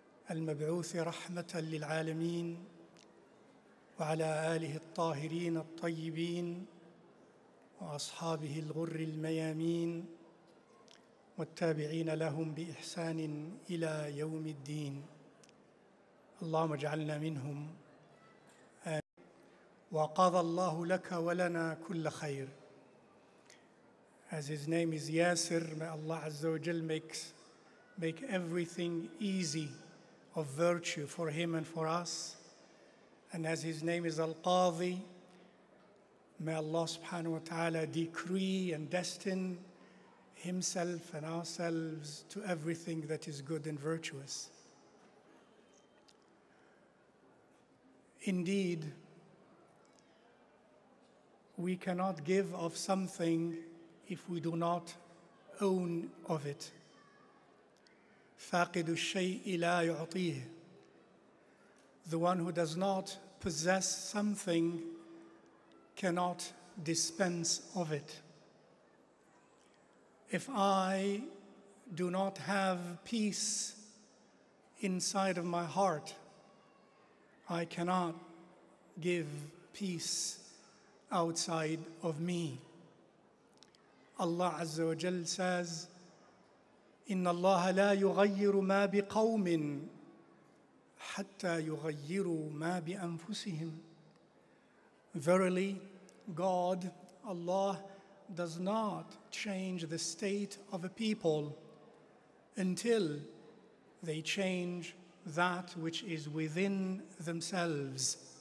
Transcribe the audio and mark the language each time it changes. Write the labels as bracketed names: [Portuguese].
[Arabic] المبعوث رحمة للعالمين وعلى آله الطاهرين الطيبين وأصحابه الغر الميامين والتابعين لهم بإحسان إلى يوم الدين اللهم اجعلنا منهم وَقَضَ اللَّهُ لَكَ وَلَنَا كُلَّ خَيْرٍ. [English] As his name is Yasir, may Allah Azza wa Jal make everything easy of virtue for him and for us. And as his name is Al-Qadhi, may Allah Subhanahu wa Ta'ala decree and destine himself and ourselves to everything that is good and virtuous. Indeed, we cannot give of something if we do not own of it. [Arabic] فَاقِدُ الشَّيْءِ لَا يُعْطِيهِ. [English] The one who does not possess something cannot dispense of it. If I do not have peace inside of my heart, I cannot give peace outside of me. [Arabic] Allah Azza wa Jal says, إِنَّ اللَّهَ لَا يُغَيِّرُ مَا بِقَوْمٍ حَتَّى يُغَيِّرُ مَا بِأَنفُسِهِمْ. [English] Verily, God, Allah, does not change the state of a people until they change that which is within themselves.